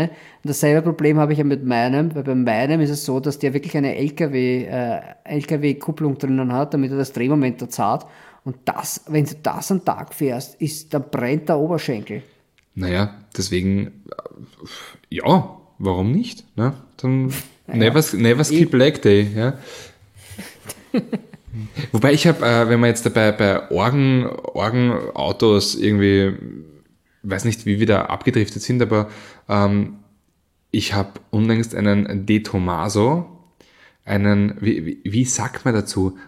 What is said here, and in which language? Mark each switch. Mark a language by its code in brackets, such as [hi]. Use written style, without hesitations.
[de] Und dasselbe Problem habe ich ja mit meinem, weil bei meinem ist es so, dass der wirklich eine LKW-Kupplung drinnen hat, damit er das Drehmoment dort hat. Und das, wenn du das am Tag fährst, dann brennt der Oberschenkel. Naja, deswegen, ja, warum nicht? Ne? Dann naja, [en] never skip leg day. [de] Ja. Wobei ich habe, wenn man jetzt dabei bei Orgenautos irgendwie, weiß nicht, wie wir da abgedriftet sind, aber ich habe unlängst einen De Tomaso, einen, wie sagt man dazu?